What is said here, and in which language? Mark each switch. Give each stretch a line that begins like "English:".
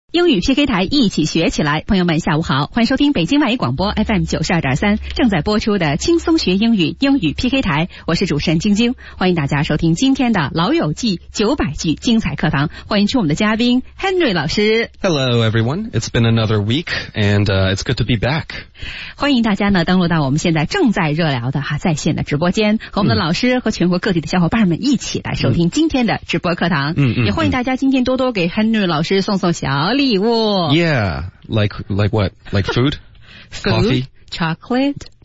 Chinese: 英语 PK 台一起学起来。朋友们下午好，欢迎收听北京外语广播 FM92.3 正在播出的轻松学英语英语 PK 台，我是主持人晶晶，欢迎大家收听今天的老友记900句精彩课堂，欢迎出我们的嘉宾 Henry 老师。
English: Hello everyone, it's been another week and it's good to be back.
Chinese: 欢迎大家呢登录到我们现在正在热聊的在线的直播间，和我们的老师和全国各地的小伙伴们一起来收听今天的直播课堂。也欢迎大家今天多多给 Henry 老师送小礼物。
English: Yeah, like what? Like food? Coffee? Chocolate?